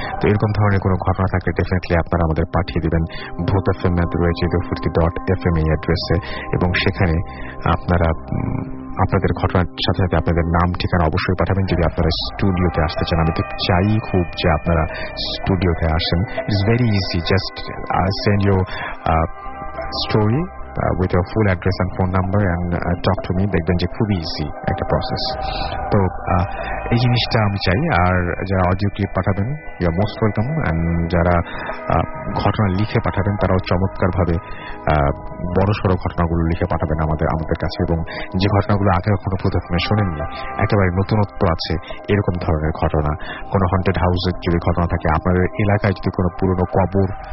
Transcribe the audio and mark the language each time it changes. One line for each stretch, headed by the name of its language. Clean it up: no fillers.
Bangla: তো এরকম ধরনের কোনো ঘটনা থাকলে ডেফিনেটলি আপনারা আমাদের পাঠিয়ে দেবেন। bhootfm@radiofirsti.fm এই অ্যাড্রেসে, এবং সেখানে আপনারা আপনাদের ঘটনার সাথে সাথে আপনাদের নাম ঠিকানা অবশ্যই পাঠাবেন। যদি আপনারা স্টুডিওতে আসতে চান, আমি তো চাই খুব যে আপনারা স্টুডিওতে আসেন।
English: It's very easy, just send your story with your full address and phone number and talk to me. They've been just easy at the process. So
Bangla: এই জিনিসটা আমি চাই। আর যারা অডিও ক্লিপ পাঠাবেন ইউ আর মোস্ট ওয়েলকাম, যারা ঘটনা লিখে পাঠাবেন তারাও চমৎকার ভাবে বড় সড়ো ঘটনাগুলো লিখে পাঠাবেন আমাদের আমাদের কাছে, এবং যে ঘটনাগুলো আগে কখনো প্রথমে শোনেননি একেবারে নতুনত্ব আছে এরকম ধরনের ঘটনা, কোনো হন্টেড হাউসের যদি ঘটনা থাকে, আপনাদের এলাকায় যদি কোনো পুরনো কবর,